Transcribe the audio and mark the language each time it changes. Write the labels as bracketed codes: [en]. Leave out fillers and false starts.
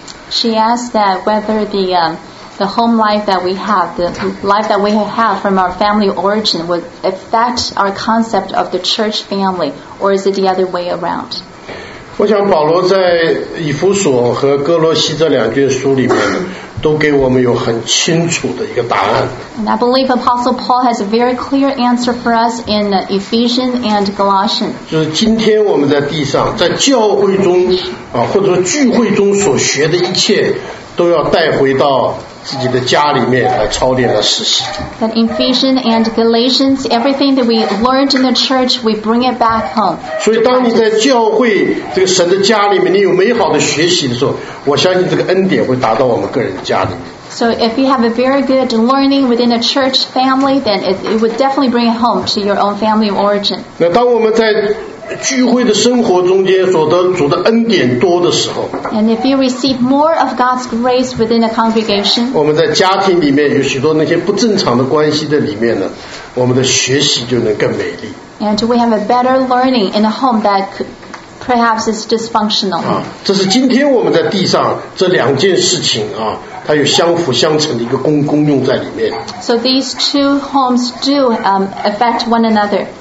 [en] She asked that whether the home life that we have, the life that we have from our family origin, would affect our concept of the church family, or is it the other way around? [zh] 我想保罗在以弗所和哥罗西这两卷书里面都给我们有很清楚的一个答案。 [en] And I believe Apostle Paul has a very clear answer for us in Ephesians and Galatians. [zh] 就是今天我们在地上，在教会中啊，或者聚会中所学的一切，都要带回到自己的家里面来操练来实习。 [en] That in Ephesians and Galatians, everything that we learned in the church, we bring it back home. [zh] 所以当你在教会这个神的家里面，你有美好的学习的时候，我相信这个恩典会达到我们个人家里面。 [en] So if you have a very good learning within a church family, then it would definitely bring it home to your own family of origin. [zh] 那当我们在聚会的生活中间所得主的恩典多的时候， [en] And if you receive more of God's grace within a congregation, [zh] 我们在家庭里面有许多那些不正常的关系的里面呢，我们的学习就能更美丽。 [en] And we have a better learning in a home that perhaps is dysfunctional. [zh] 这是今天我们在地上这两件事情啊，它有相辅相成的一个功用在里面。 [en] So these two homes do affect one another.